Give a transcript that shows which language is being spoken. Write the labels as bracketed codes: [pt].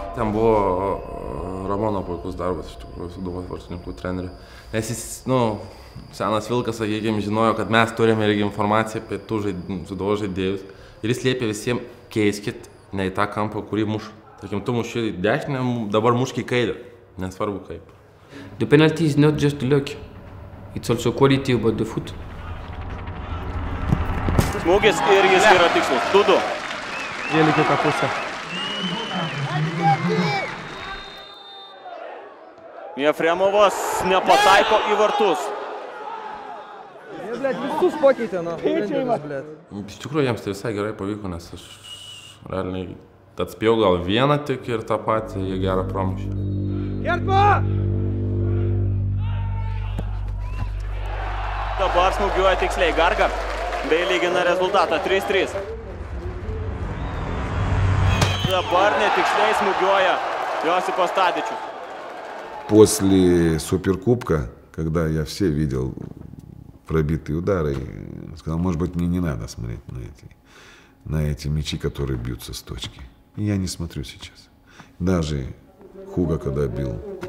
[lt] Ten buvo Ramono puikus darbas, iš tikrųjų, su Duvos vartininkų treneriu. Nes jis, nu, senas Vilkas, sakykime, žinojo, kad mes turime irgi informaciją apie tų Duvos žaidėjus. Ir jis liepė visiems keiskit ne į tą kampą, kurį muš. Sakym, tu muši į dešinę, dabar muški į kairę. Nesvarbu kaip. [en] The penalty is not just luck. It's also quality about the foot. [lt] Smūgis ir jis yra tikslus. 2-2. Vėl į kitą pusę. Jefremovas nepataiko į vartus. Jie, blėt, visus pakeitė, nu. Pėčiai, blėt. Iš tikrųjų, jiems tai visai gerai pavyko, nes aš realiai atspėjau gal vieną tik ir tą patį jie gerą promušę. Gerba! Dabar smūgiuoja tiksliai Garga. Bei lygina rezultatą 3-3. Dabar netiksliai smūgiuoja Josipas Tadičius. [ru] После суперкубка, когда я все видел пробитые удары, сказал, может быть, мне не надо смотреть на эти мячи, которые бьются с точки. И я не смотрю сейчас. Даже Хуга, когда бил.